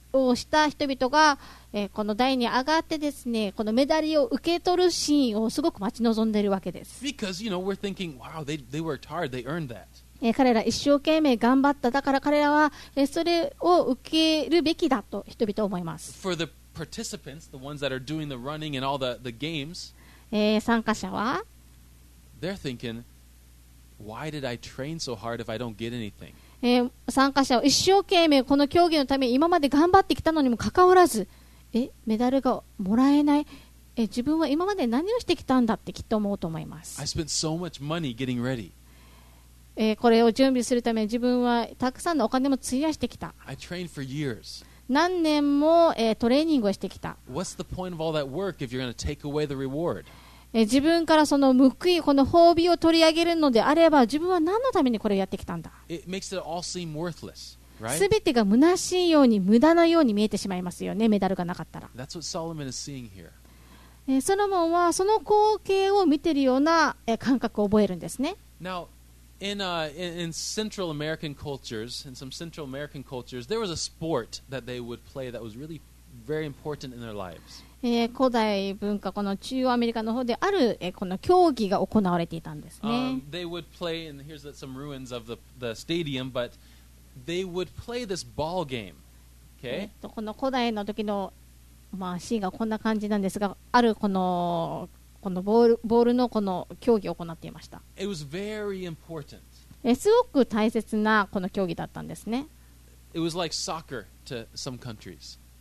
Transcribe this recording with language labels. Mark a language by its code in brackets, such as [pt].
[ja] をした人々が、この台に上がってですね、このメダルを受け取るシーンをすごく待ち望んでいるわけです。 [en] Because, you know, we're thinking, wow, they worked hard, they earned that. [ja] 彼ら一生懸命頑張った。だから彼らは、それを受けるべきだと人々は思います。 [en] For the participants, the ones that are doing the running and all the games, [ja] 参加者は、 [en] they're thinking, why did I train so hard if I don't get anything? [ja] 参加者は一生懸命この競技のために今まで頑張ってきたのにもかかわらず、メダルがもらえない、自分は今まで何をしてきたんだってきっと思うと思います。 [en] I spent so much money getting ready. [ja] これを準備するために自分はたくさんのお金も費やしてきた。 [en] I trained for years. [ja] 何年も、トレーニングをしてきた。 [en] What's the point of all that work if you're going to take away the reward? [ja] 自分からその報い、この褒美を取り上げるのであれば、自分は何のためにこれをやってきたんだ。 [en] It makes it all seem worthless, right? [ja] 全てが虚しいように、無駄なように見えてしまいますよね、メダルがなかったら。 [en] That's what Solomon is seeing here. [ja] ソロモンはその光景を見ているような感覚を覚えるんですね。 [en] Now, in Central American cultures, in some Central American cultures, there was a sport that they would play that was really very important in their lives. [ja] 古代文化、この中央アメリカの方である、この競技が行われていたんですね。 [en] They would play, and here's some ruins of the stadium, but they would play this ball game. Okay? [ja] この古代の時の、まあ、シーンがこんな感じなんですが、あるこのボールのこの競技を行っていました。 [en] It was very important. [ja] すごく大切なこの競技だったんですね。 [en] It was like soccer to some countries.